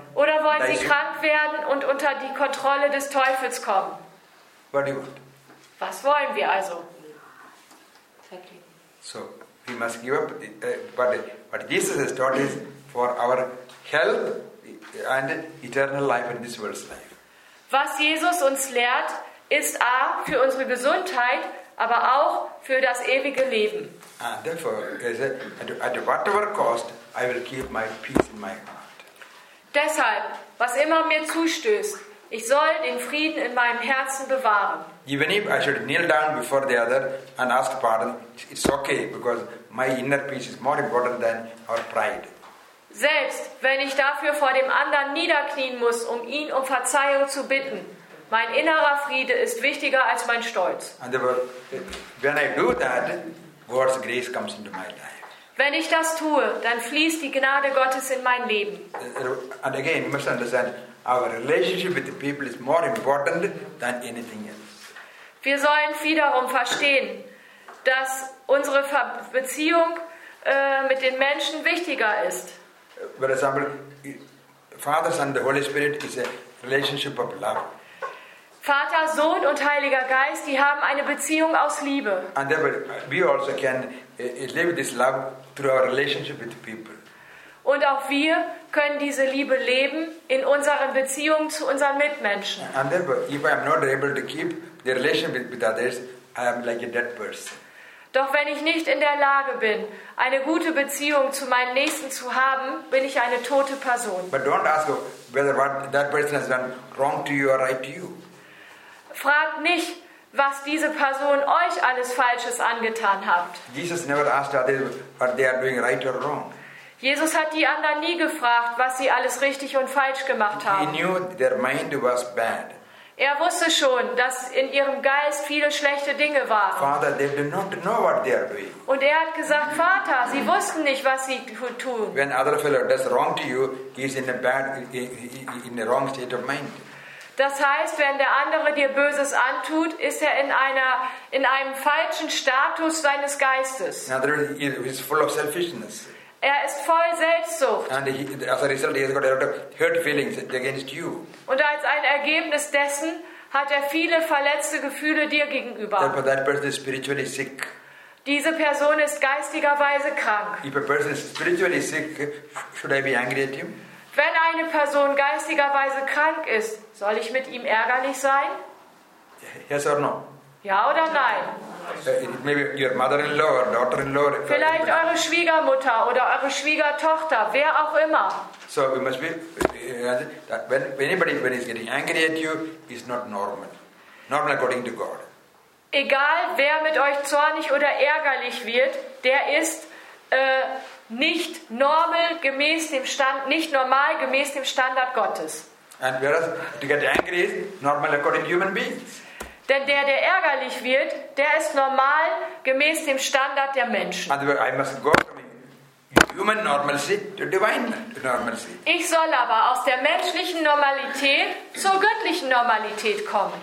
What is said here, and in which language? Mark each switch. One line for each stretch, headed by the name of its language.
German: Oder wollen Sie krank werden und unter die Kontrolle des Teufels kommen?
English: What do you want?
German: Was wollen wir also?
English: So, we must give up. What Jesus has taught is for our health and eternal life in this world's life.
German: Was Jesus uns lehrt, ist A, für unsere Gesundheit, aber auch für das ewige Leben.
English: And therefore, at whatever cost, I will keep my peace in my heart.
German: Deshalb, was immer mir zustößt, ich soll den Frieden in meinem Herzen bewahren.
English: Even if I should kneel down before the other and ask pardon, it's okay, because my inner peace is more important than our pride.
German: Selbst wenn ich dafür vor dem anderen niederknien muss, um ihn um Verzeihung zu bitten, mein innerer Friede ist wichtiger als mein Stolz.
English: And when I do that, God's grace comes into my life.
German: Wenn ich das tue, dann fließt die Gnade Gottes in mein Leben.
English: And again, you must understand, our relationship with the people is more important than anything else.
German: Wir sollen wiederum verstehen, dass unsere Beziehung mit den Menschen wichtiger ist.
English: For example, Father, Son, the Holy Spirit is a relationship of love.
German: Vater, Sohn und Heiliger Geist, die haben eine Beziehung aus Liebe.
English: And then we also can live this love through our relationship with people.
German: Und auch wir können diese Liebe leben in unseren Beziehungen zu unseren Mitmenschen.
English: And then if I am not able to keep the relationship with others, I am like a dead person.
German: Doch wenn ich nicht in der Lage bin, eine gute Beziehung zu meinen Nächsten zu haben, bin ich eine tote Person.
English: But don't ask whether what that person has done wrong to you or right to you.
German: Fragt nicht, was diese Person euch alles Falsches angetan hat.
English: Jesus never asked others what they are doing right or wrong.
German: Jesus hat die anderen nie gefragt, was sie alles richtig und falsch gemacht haben.
English: He knew their mind was bad.
German: Er wusste schon, dass in ihrem Geist viele schlechte Dinge waren.
English: Father, they do not know what they are doing.
German: Und er hat gesagt, Vater, sie wussten nicht, was sie tun.
English: When other fellow does wrong to you, he is in a bad, in a wrong state of mind.
German: Das heißt, wenn der andere dir Böses antut, ist er in einem falschen Status seines Geistes.
English: In other words, he is full of selfishness.
German: Er ist voll Selbstsucht.
English: And he, as a result, he has got a lot of hurt feelings against you.
German: Und als ein Ergebnis dessen hat er viele verletzte Gefühle dir gegenüber.
English: Therefore, that person is spiritually sick.
German: Diese Person ist geistigerweise krank.
English: If a person is spiritually sick, should I be angry at him?
German: Wenn eine Person geistigerweise krank ist, soll ich mit ihm ärgerlich sein?
English: Yes or no?
German: Ja oder nein?
English: Maybe your mother-in-law or daughter-in-law.
German: Vielleicht eure Schwiegermutter oder eure Schwiegertochter, wer auch immer.
English: So we must be, that when anybody when is getting angry at you is not normal. Normal according to God.
German: Egal, wer mit euch zornig oder ärgerlich wird, der ist nicht normal gemäß dem Stand, nicht normal gemäß dem Standard Gottes.
English: And whereas to get angry is normal according to human beings.
German: Denn der, der ärgerlich wird, der ist normal gemäß dem Standard der Menschen.
English: And I must go from human normalcy to divine normalcy.
German: Ich soll aber aus der menschlichen Normalität zur göttlichen Normalität kommen.